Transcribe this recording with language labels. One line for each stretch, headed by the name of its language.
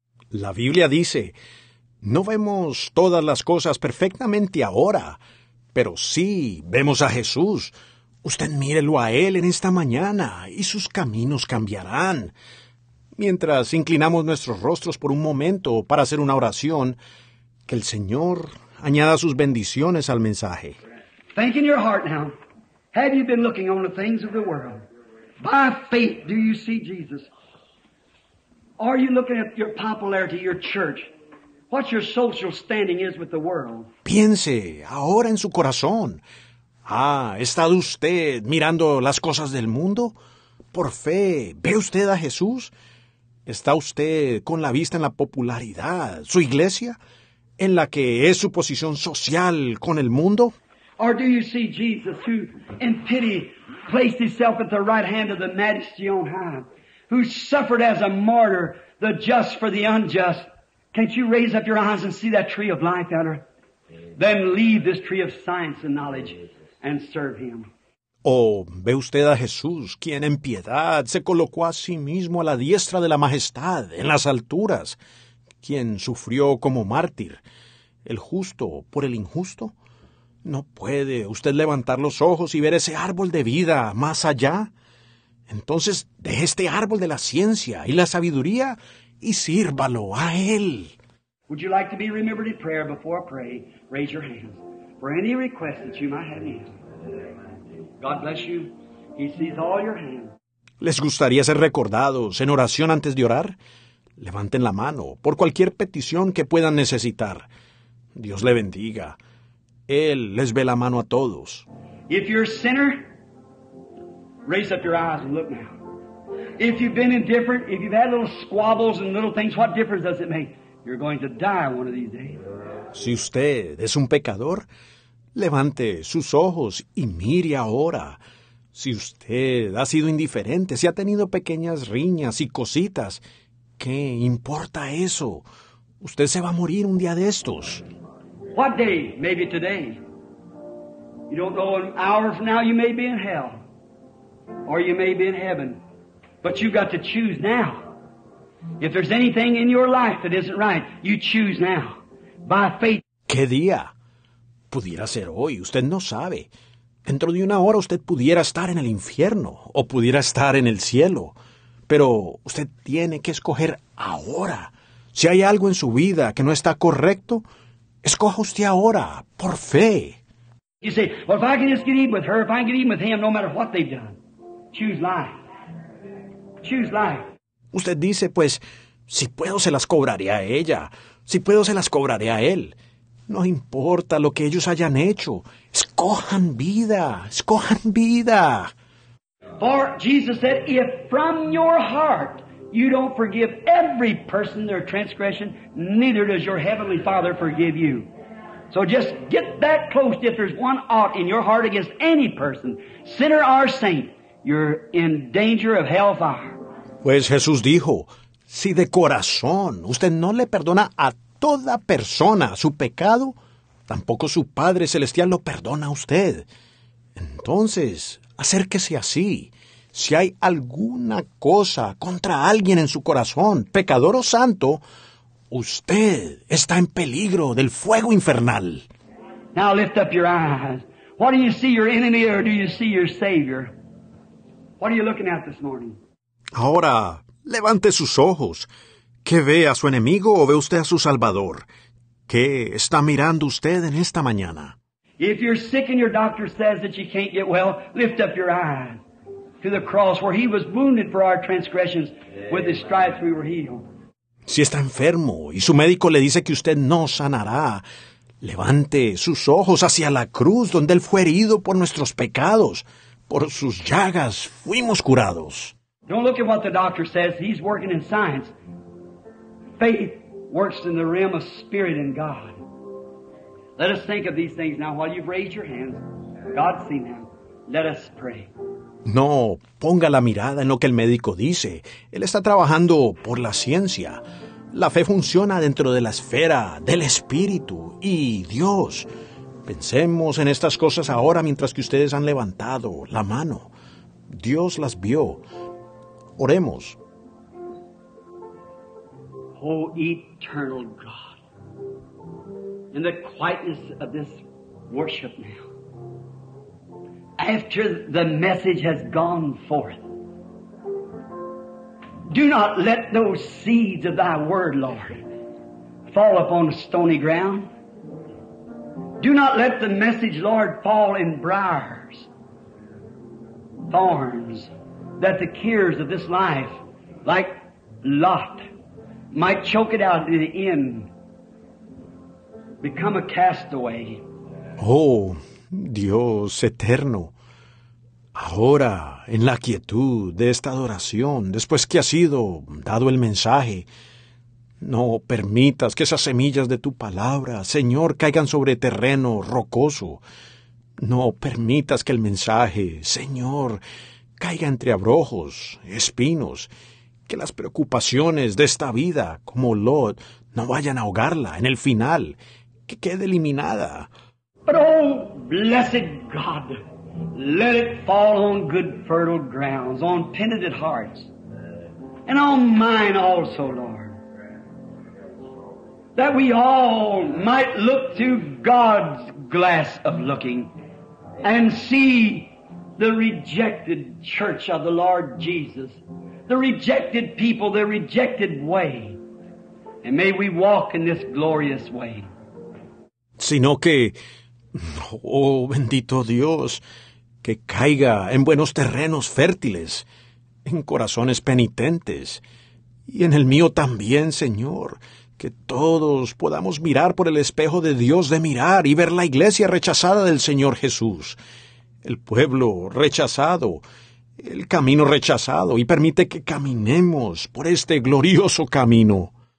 Spanish: La Biblia dice, no vemos todas las cosas perfectamente ahora, pero sí vemos a Jesús. Usted mírelo a Él en esta mañana y sus caminos cambiarán. Mientras inclinamos nuestros rostros por un momento para hacer una oración, que el Señor añada sus bendiciones al mensaje.
English: Think in your heart now. Have you been looking on the things of the world? By faith do you see Jesus? Are you looking at your popularity, your church? What your social standing is with the world.
Spanish: Piense ahora en su corazón. ¿Ha estado usted mirando las cosas del mundo? Por fe, ¿ve usted a Jesús? ¿Está usted con la vista en la popularidad, su iglesia, en la que es su posición social con el mundo?
English: Or do you see Jesus who, in pity, placed himself at the right hand of the majesty on high, who suffered as a martyr, the just for the unjust? Can't you raise up your eyes and see that tree of life, Elder? Then leave this tree of science and knowledge and serve Him.
Spanish: Oh, ¿ve usted a Jesús, quien en piedad se colocó a sí mismo a la diestra de la majestad en las alturas, quien sufrió como mártir, el justo por el injusto? ¿No puede usted levantar los ojos y ver ese árbol de vida más allá? Entonces, de este árbol de la ciencia y la sabiduría, y sírvalo a Él.
English: Would you like to be remembered in prayer before I pray? Raise your hands for any request that you might have in. God bless you. He sees all your hands.
Spanish: ¿Les gustaría ser recordados en oración antes de orar? Levanten la mano por cualquier petición que puedan necesitar. Dios le bendiga. Él les ve la mano a todos.
English: If you're a sinner, raise up your eyes and look now. If you've been indifferent, if you've had little squabbles and little things, what difference does it make? You're going to die one of these days.
Spanish: Si usted es un pecador, levante sus ojos y mire ahora. Si usted ha sido indiferente, si ha tenido pequeñas riñas y cositas, ¿qué importa eso? Usted se va a morir un día de estos.
English: What day? Maybe today. You don't know, an hour from now you may be in hell. Or you may be in heaven. But you've got to choose now. If there's anything in your life that isn't right, you choose now. By faith.
Spanish: ¿Qué día? Pudiera ser hoy. Usted no sabe. Dentro de una hora usted pudiera estar en el infierno o pudiera estar en el cielo. Pero usted tiene que escoger ahora. Si hay algo en su vida que no está correcto, escoja usted ahora, por fe.
English: You say, well, if I can just get even with her, if I can get even with him, no matter what they've done, choose life. Choose life.
Spanish: Usted dice, pues, si puedo se las cobraré a ella, si puedo se las cobraré a él. No importa lo que ellos hayan hecho, escojan vida, escojan vida.
English: For Jesus said, if from your heart you don't forgive every person their transgression, neither does your heavenly Father forgive you. So just get that close. If there's one ought in your heart against any person, sinner or saint, you're in danger of hellfire.
Spanish: Pues Jesús dijo, si de corazón usted no le perdona a toda persona su pecado, tampoco su Padre Celestial lo perdona a usted. Entonces, acérquese así. Si hay alguna cosa contra alguien en su corazón, pecador o santo, usted está en peligro del fuego infernal.
English: Now lift up your eyes. What do you see, your enemy, or do you see your Savior? What are you looking at this morning?
Spanish: Ahora, levante sus ojos. ¿Qué ve, a su enemigo o ve usted a su Salvador? ¿Qué está mirando usted en esta mañana?
English: If you're sick and your doctor says that you can't get well, lift up your eyes to the cross where he was wounded for our transgressions. With his stripes we were healed.
Spanish: Si está enfermo y su médico le dice que usted no sanará, levante sus ojos hacia la cruz donde él fue herido por nuestros pecados. Por sus llagas fuimos curados.
English: Don't look at what the doctor says. He's working in science. Faith works in the realm of spirit and God. Let us think of these things now while you've raised your hands. God's seen them. Let us pray.
Spanish: No, ponga la mirada en lo que el médico dice. Él está trabajando por la ciencia. La fe funciona dentro de la esfera del Espíritu y Dios. Pensemos en estas cosas ahora mientras que ustedes han levantado la mano. Dios las vio. Oremos.
English: Oh, eternal God, in the quietness of this worship now, after the message has gone forth, do not let those seeds of thy word, Lord, fall upon a stony ground. Do not let the message, Lord, fall in briars, thorns, that the cares of this life, like Lot, might choke it out in the end, become a castaway.
Spanish: Oh, Dios eterno. Ahora, en la quietud de esta adoración, después que ha sido dado el mensaje, no permitas que esas semillas de tu palabra, Señor, caigan sobre terreno rocoso. No permitas que el mensaje, Señor, caiga entre abrojos, espinos, que las preocupaciones de esta vida, como Lot, no vayan a ahogarla en el final, que quede eliminada. Pero, oh,
English: blessed God, let it fall on good fertile grounds, on penitent hearts, and on mine also, Lord, that we all might look through God's glass of looking and see the rejected church of the Lord Jesus, the rejected people, the rejected way, and may we walk in this glorious way.
Spanish: Sino que, oh, bendito Dios, que caiga en buenos terrenos fértiles, en corazones penitentes, y en el mío también, Señor, que todos podamos mirar por el espejo de Dios de mirar y ver la iglesia rechazada del Señor Jesús, el pueblo rechazado, el camino rechazado, y permite que caminemos por este glorioso camino.